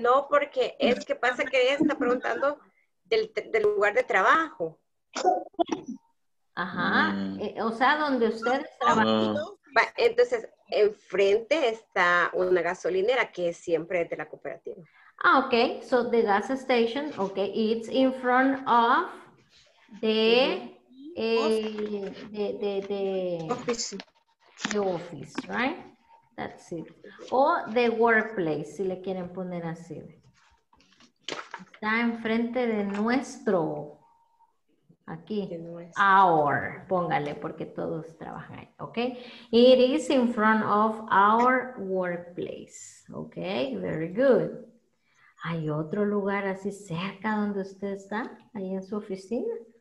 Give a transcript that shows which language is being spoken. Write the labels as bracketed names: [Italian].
[Spanish] No, porque es que pasa que ella está preguntando del lugar de trabajo. Ajá, o sea, donde ustedes trabajan. Entonces, enfrente está una gasolinera que es siempre de la cooperativa. [English] Ah, ok, so the gas station, ok, it's in front of the office. The office, right? That's it. O the workplace, [Spanish] si le quieren poner así. Está enfrente de nuestro. Aquí, our, póngale, porque todos trabajan ahí, ¿ok? [English] It is in front of our workplace, ¿ok? Very good. [Spanish] ¿Hay otro lugar así cerca donde usted está, ahí en su oficina?